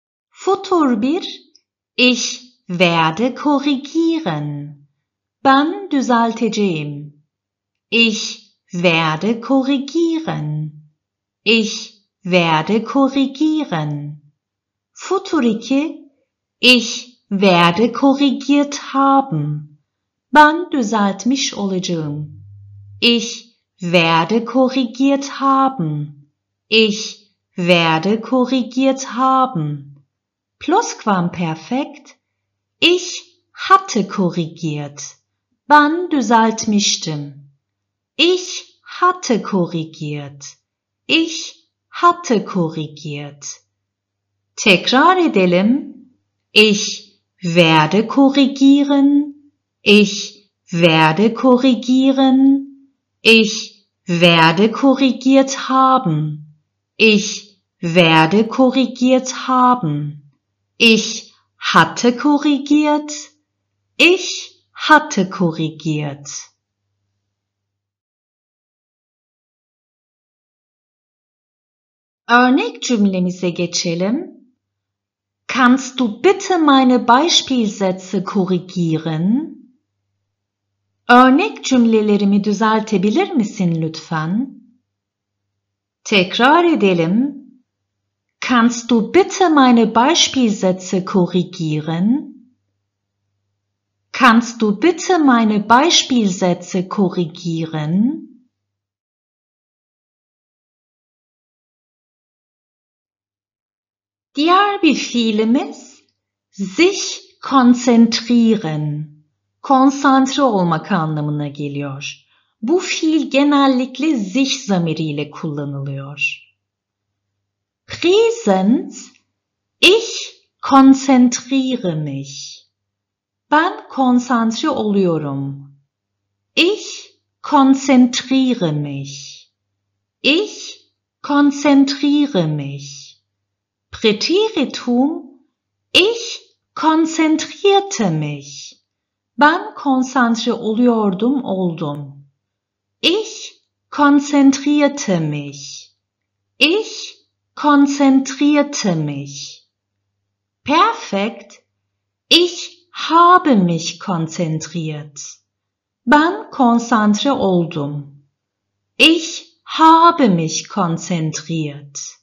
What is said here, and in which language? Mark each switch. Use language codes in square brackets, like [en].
[de] Futur bir. Ich werde korrigieren. [tr] Ben düzelteceğim. [de] Ich werde korrigieren. Ich werde korrigieren. Futur 2. Ich werde korrigiert haben. [tr] Ben düzeltmiş olacağım. [de] Ich werde korrigiert haben. Ich werde korrigiert haben. Plusquamperfekt. Ich hatte korrigiert. [tr] Ben düzeltmiştim. [de] Ich hatte korrigiert. Ich hatte korrigiert. [tr] Tekrar edelim. [de] Ich werde korrigieren. Ich werde korrigieren. Ich werde korrigiert haben. Ich werde korrigiert haben. Ich hatte korrigiert. Ich hatte korrigiert. [tr] Örnek cümlemize geçelim. [de] Kannst du bitte meine Beispielsätze korrigieren? [tr] Örnek cümlelerimi düzeltebilir misin lütfen? Tekrar edelim. [de] Kannst du bitte meine Beispielsätze korrigieren? Kannst du bitte meine Beispielsätze korrigieren? [tr] Diğer bir fiilimiz sich konzentrieren, konsantre olmak anlamına geliyor. Bu fiil genellikle sich zamiriyle kullanılıyor. [de] Präsens, ich konzentriere mich. [tr] Ben konsantre oluyorum. [de] Ich konzentriere mich. Ich konzentriere mich. Präteritum, ich konzentrierte mich. [tr] Ben konsantre oluyordum, oldum. [de] Ich konzentrierte mich. Ich konzentrierte mich. Perfekt, ich habe mich konzentriert. [tr] Ben konzentre oldum. [de] Ich habe mich konzentriert.